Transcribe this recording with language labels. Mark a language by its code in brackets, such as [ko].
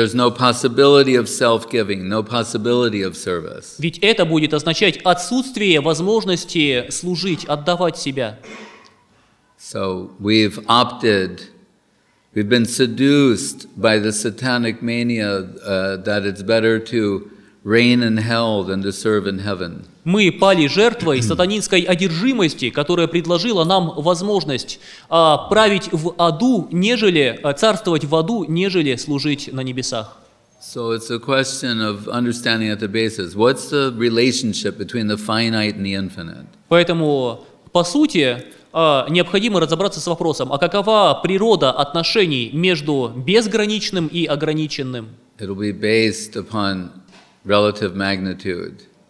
[en] There's no possibility of self-giving, no possibility of service. [ru] Ведь это будет означать отсутствие возможности служить, отдавать себя. [en] So we've opted, we've been seduced by the satanic mania that it's better to reign in hell than to serve in heaven. [ru] Мы пали жертвой сатанинской одержимости, которая предложила нам возможность править в аду, нежели царствовать в аду, нежели служить на небесах. [en] So it's a question of understanding at the basis. What's the relationship between the finite and the infinite? [ru] Поэтому, по сути, необходимо разобраться с вопросом, а какова природа отношений между безграничным и ограниченным? [en] It'll be based upon relative magnitude.